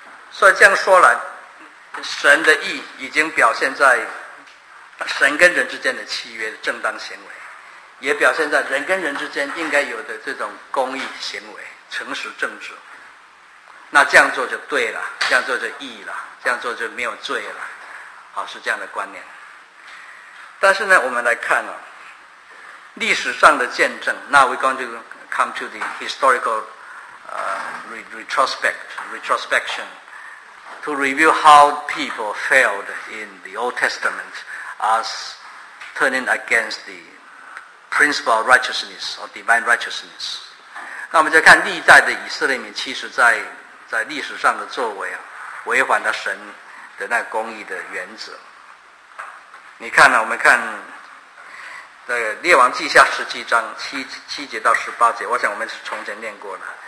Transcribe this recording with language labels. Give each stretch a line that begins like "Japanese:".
Chinese: 所以这样说来，神的义已经表现在神跟人之间的契约的正当行为，也表现在人跟人之间应该有的这种公义行为，诚实正直。那这样做就对了，这样做就义了，这样做就没有罪了，好，是这样的观念。但是呢，我们来看啊，历史上的见证。
English: Now we're going to come to the historical retrospection to review how people failed in the Old Testament as turning against the principle of righteousness or divine righteousness。
Chinese: 那我们就看历代的以色列民，其实在历史上的作为啊，违反了神的那公义的原则。你看呢、啊？我们看这个《列王记下》17章7节到18节，我想我们是从前念过的。